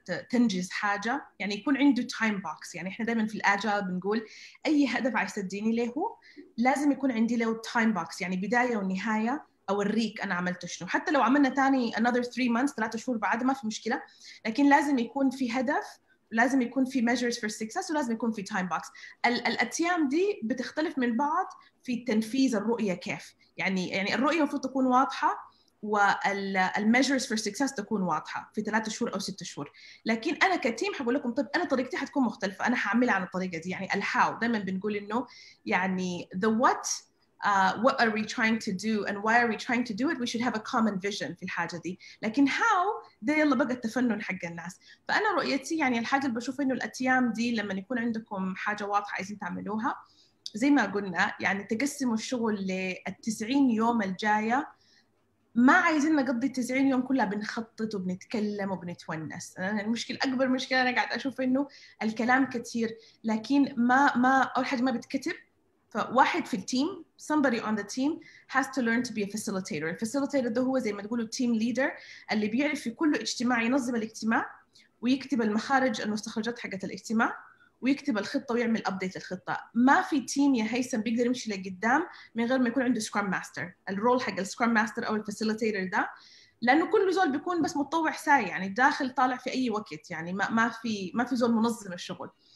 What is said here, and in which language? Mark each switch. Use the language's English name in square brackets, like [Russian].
[Arabic] تنجز حاجة يعني يكون عنده تايم بوكس يعني إحنا دايما في الأجايل بنقول أي هدف عايز تديني له لازم يكون عندي له تايم بوكس يعني بداية ونهاية أوريك أنا عملت شنو حتى لو عملنا تاني [English] another 3 months [Arabic] 3 شهور بعد ما في مشكلة لكن لازم يكون في هدف لازم يكون في [English] measures for success [Arabic] ولازم يكون في [English] time box. [Arabic] الأيام دي بتختلف من بعض في تنفيذ الرؤية كيف يعني الرؤية المفروض تكون واضحة والميجرز فور سكسس تكون واضحه في 3 شهور او 6 شهور. لكن انا كتيم حقول لكم طيب انا طريقتي حتكون مختلفه، انا هعملها على الطريقه دي. يعني الهاو دائما بنقول انه يعني [English] the what what are we trying to do and why are we trying to do it, we should have a common vision [Arabic] في الحاجه دي. لكن how ده يلا بقى التفنن حق الناس. فانا رؤيتي يعني الحاجه اللي بشوف انه الاتيام دي لما يكون عندكم حاجه واضحه عايزين تعملوها زي ما قلنا يعني تقسموا الشغل للتسعين يوم الجايه. ما عايزين نقضي 90 يوم كلها بنخطط وبنتكلم وبنتونس. انا المشكله اكبر مشكله انا قاعد اشوف انه الكلام كثير لكن ما اول حاجه ما بتكتب. فواحد في التيم [English] somebody on the team has to learn to be a facilitator. [Arabic] الفاسيليتيتور ده هو زي ما تقولوا تيم ليدر اللي بيعرف في كل اجتماع ينظم الاجتماع ويكتب المخارج المستخرجات حقت الاجتماع ويكتب الخطه ويعمل ابديت الخطه. ما في تيم يا هيثم بيقدر يمشي لقدام من غير ما يكون عنده سكرام ماستر. الرول حق السكرام ماستر او الفاسيليتيتور ده لانه كل زول بيكون بس متطوع ساي يعني داخل طالع في اي وقت يعني ما في زول منظم الشغل.